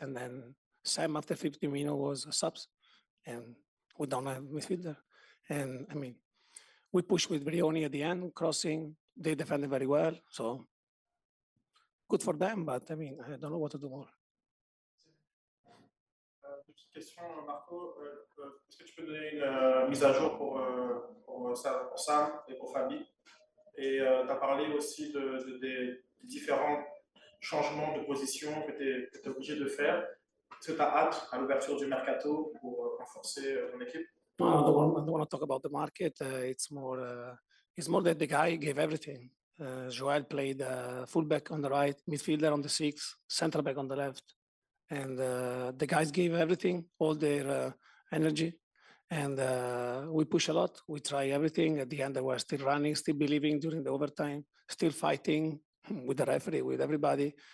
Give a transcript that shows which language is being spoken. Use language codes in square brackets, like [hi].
[en] And then Sam after 50 minutes was a subs and we don't have midfielder. And I mean, we push with Brioni at the end, crossing. They defended very well. So. Good for them, but I mean, I don't know what to do more. [fr] Petite question, Marco. Est-ce que tu peux donner une mise à jour pour Sam et pour Fabi? Et tu as parlé aussi de différents changements de position que tu es obligé de faire. Est-ce que tu as hâte à l'ouverture du mercato pour renforcer ton équipe? Non, [en] I don't want to talk about the market. It's more that the guy gave everything. Joel played fullback on the right, midfielder on the 6, center back on the left. And the guys gave everything, all their energy. And we push a lot. We try everything. At the end, they were still running, still believing during the overtime, still fighting with the referee, with everybody.